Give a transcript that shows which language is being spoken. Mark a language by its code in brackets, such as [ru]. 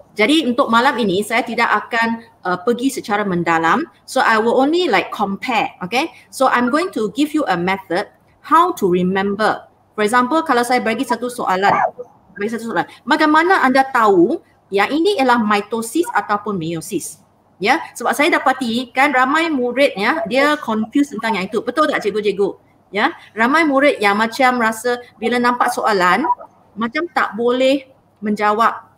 [ms] Jadi untuk malam ini saya tidak akan pergi secara mendalam. [en] So I will only like compare, okay? So I'm going to give you a method how to remember. For example, [ms] kalau saya bagi satu soalan, bagaimana anda tahu yang ini ialah mitosis ataupun meiosis? Ya, sebab saya dapati kan ramai murid ya, dia confused tentang yang itu. Betul tak cikgu-cikgu? Ya, ramai murid yang macam rasa bila nampak soalan macam tak boleh menjawab.